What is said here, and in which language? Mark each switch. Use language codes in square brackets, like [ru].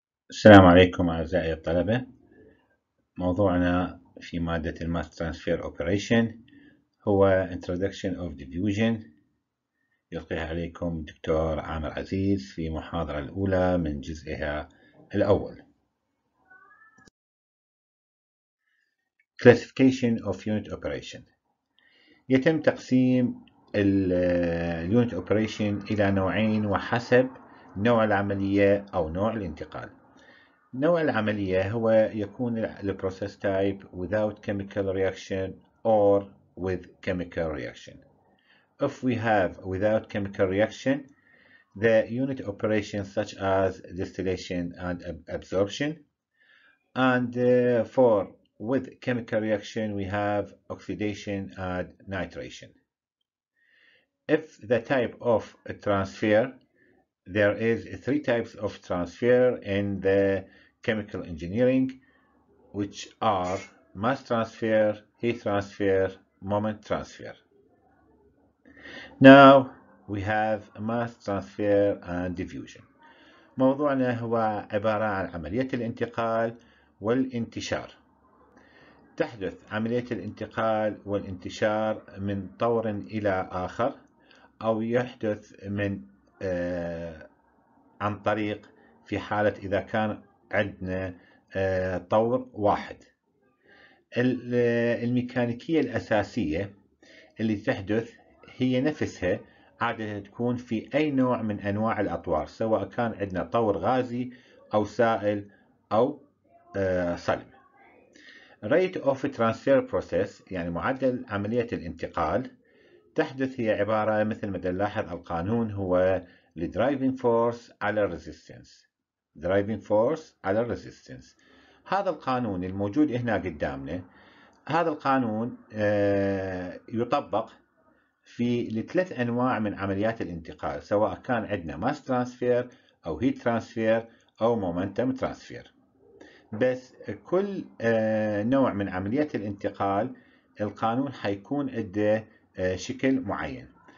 [ar] السلام عليكم أعزائي الطلبة. موضوعنا في مادة الماس ترانسفير أوبريشن هو Introduction of Diffusion، يلقيها عليكم الدكتور عامر عزيز في محاضرة الأولى من جزئها الأول. Classification of Unit Operation، يتم تقسيم الـ Unit Operation إلى نوعين وحسب نوع العملية أو نوع الانتقال. نوع العملية هو يكون [en] الـ process type without chemical reaction or with chemical reaction. If we have without chemical reaction, the unit operation such as distillation and absorption. And for with chemical reaction, we have oxidation and nitration. If the type of a transfer, there is three types of transfer in the chemical engineering, which are mass transfer, heat transfer, moment transfer. Now we have mass transfer and diffusion. [ar] موضوعنا هو عبارة عن عملية الانتقال والانتشار. تحدث عملية الانتقال والانتشار من طور إلى آخر، أو يحدث من عن طريق في حالة إذا كان عندنا طور واحد. الميكانيكية الأساسية اللي تحدث هي نفسها، عادة تكون في أي نوع من أنواع الأطوار، سواء كان عندنا طور غازي أو سائل أو صلب. [en] Rate of transfer process [ar] يعني معدل عملية الانتقال تحدث، هي عبارة مثل ما تلاحظ القانون هو the driving force على resistance. [en] Driving force على resistance. [ar] هذا القانون الموجود هنا قدامنا، هذا القانون يطبق في لثلاث أنواع من عمليات الانتقال، سواء كان عندنا mass transfer أو heat transfer أو momentum transfer. بس كل نوع من عمليات الانتقال القانون حيكون عنده شكل معين.